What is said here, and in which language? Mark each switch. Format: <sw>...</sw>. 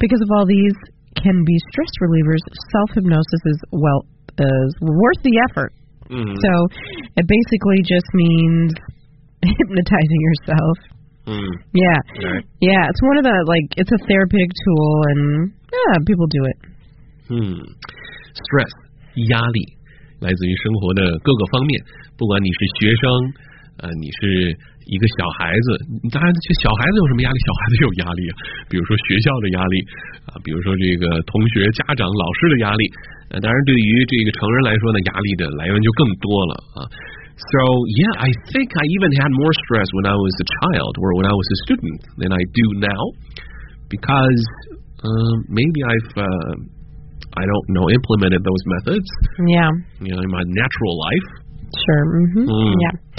<en>Because of all these can be stress relievers, self-hypnosis is, well, is worth the effort.、 Mm. So it basically just means hypnotizing yourself.、 Mm. Yeah. Right. Yeah, it's one of the, like, it's a therapeutic tool, and yeah, people do it.、 Mm. Stress.</en> <zh>压力来自于生活的各个方面，不管你是学生，你是一个小孩子，当然，小孩子有什么压力？小孩子有压力啊，比如说学校的压力啊，比如说这个同学、家长、老师的压力。当然，对于这个成人来说呢，压力的来源就更多了啊。</zh> <en>So yeah, I think I even had more stress when I was a child or when I was a student than I do now, because maybe I've. I don't know, implemented those methods. Yeah. You know, in my natural life. Sure. Mm-hmm. Mm. Yeah.</en>